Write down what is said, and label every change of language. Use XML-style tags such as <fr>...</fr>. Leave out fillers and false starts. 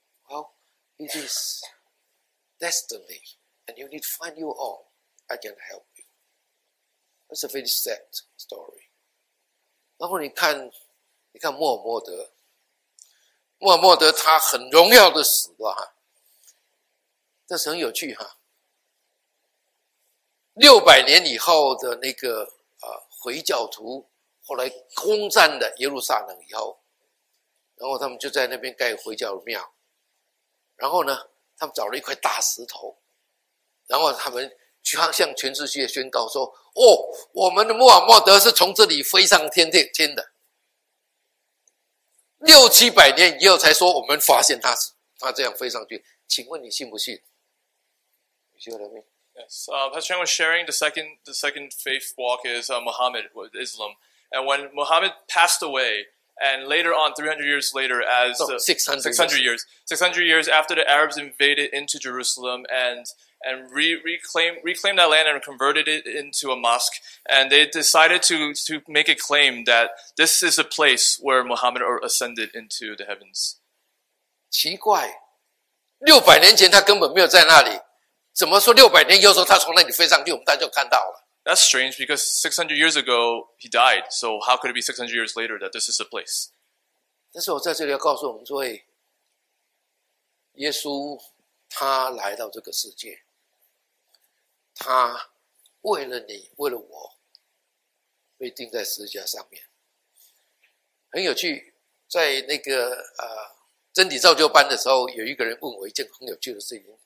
<en>Well, it is destiny, and you need to find your own. I can help you. That's a very sad story.</en> <zh>然后你看穆罕默德，穆罕默德他很荣耀的死了哈，但是很有趣哈，600年以后的那个回教徒后来攻占了耶路撒冷以后，然后他们就在那边盖回教的庙，然后呢他们找了一块大石头，然后他们向全世界宣告说，哦，我们的穆罕默德是从这里飞上天的，600-700年以后才说我们发现他这样飞上去，请问你信不信？你信了没有？</zh> <en>Yes, Pastor Chan was sharing the second faith walk is Muhammad with Islam. And when Muhammad passed away, and later on, 300 years later, as 600 years after the Arabs invaded into Jerusalem and reclaimed that land and converted it into a mosque, and they decided to make a claim that this is a place where Muhammad ascended into the heavens.</en> <zh>奇怪，600年前他根本没有在那里。怎么说600年又说他从那里飞上去，我们大家就看到了。</zh> <en>That's strange because 600 years ago he died. So how could it be 600 years later that this is the place?</en> <zh>但是我在这里要告诉我们诸位，耶稣他来到这个世界，他为了你，为了我，被钉在十字架上面。很有趣，在那个真理造就班的时候，有一个人问我一件很有趣的事情。</zh>